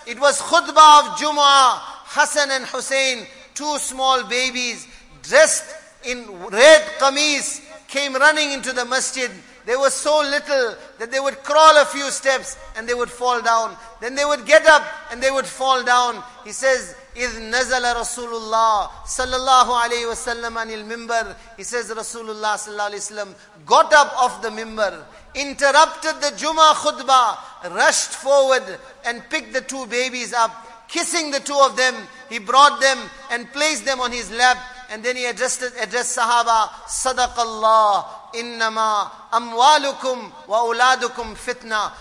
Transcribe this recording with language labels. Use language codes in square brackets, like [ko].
[en] It was khutbah of Jumu'ah. Hasan and Husayn, two small babies dressed in red qamis, came running into the masjid. They were so little that they would crawl a few steps and they would fall down. Then they would get up and they would fall down. He says, [ar] إِذْ نَزَلَ رَسُولُ اللَّهِ صَلَّى اللَّهُ عَلَيْهِ وَسَلَّمَ عَنِ الْمِنْبَرِ. [en] He says, Rasulullah sallallahu alayhi wa sallam got up off the minbar, interrupted the Jummah khutbah, rushed forward and picked the two babies up, kissing the two of them. He brought them and placed them on his lap. And then he addressed Sahaba, [ar] Sadaqallah, innama amwalukum wa uladukum fitna.